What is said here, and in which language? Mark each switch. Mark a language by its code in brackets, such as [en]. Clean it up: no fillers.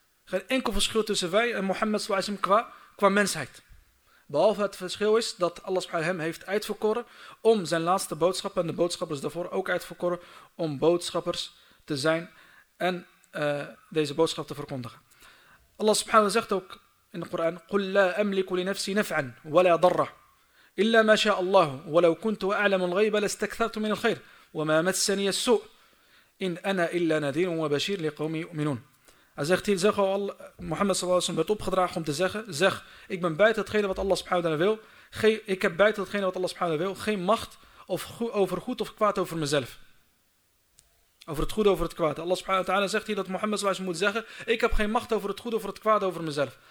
[nl] Geen enkel verschil tussen wij en Mohammed s.a.w. qua mensheid. Behalve het verschil is dat Allah s.a.w. hem heeft uitverkoren om zijn laatste boodschappen en de boodschappers daarvoor ook uitverkoren om boodschappers te zijn en deze boodschap te verkondigen. Allah s.a.w. zegt ook in de Koran, [ar] قُلْ لَا أَمْلِكُ لِنَفْسِي نَفْعًا وَلَا ضَرَّ إِلَّا مَا شَاءَ اللَّهُ وَلَوْ كُنْتُ أَعْلَمُ الْغَيْبَ لَاسْتَكْثَرْتُ مِنَ الْخَيْرِ وَمَا مَسَّنِيَ السُّوءُ إِنْ أَنَا إِلَّا نَذِيرٌ وَبَشِيرٌ لِقَوْمٍ يُؤْمِنُونَ. [nl] Hij zegt hier, zeg al, Mohammed sallallahu alaihi werd opgedragen om te zeggen, zeg, ik ben buiten hetgene wat Allah subhanahu wa ta'ala wil, ik heb buiten hetgene wat Allah subhanahu wa ta'ala wil, geen macht of over goed of kwaad over mezelf. Over het goede, over het kwaad. Allah subhanahu wa ta'ala zegt hier dat Mohammed sallallahu alaihi moet zeggen, ik heb geen macht over het goede of het kwaad over mezelf.